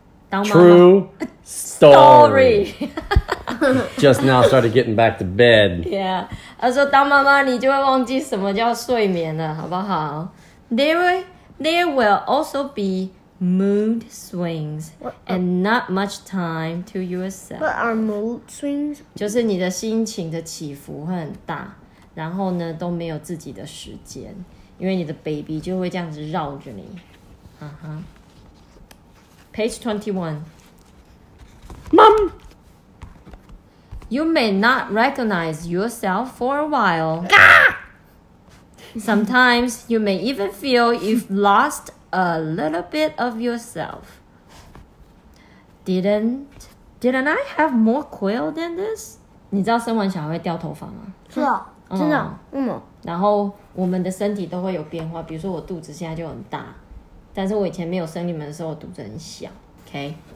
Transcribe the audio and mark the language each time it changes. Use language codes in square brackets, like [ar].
[zh] 当妈妈 [en] True story. Just now started getting back to bed. Yeah. [zh] 他说当妈妈你就会忘记什么叫睡眠了，好不好？ [en] There will also be mood swings and not much time to yourself. What are mood swings? [zh] 就是你的心情的起伏会很大，然后呢都没有自己的时间，因为你的 baby 就会这样子绕着你。 [en] Page 21. Mom! You may not recognize yourself for a while. Sometimes you may even feel you've lost a little bit of yourself. Didn't I have more quail than this? [zh] 你知道生完小孩会掉头发吗？是啊，真的。然后我们的身体都会有变化，比如说我肚子现在就很大。但是我以前没有生你们的时候，我肚子很小 ，OK？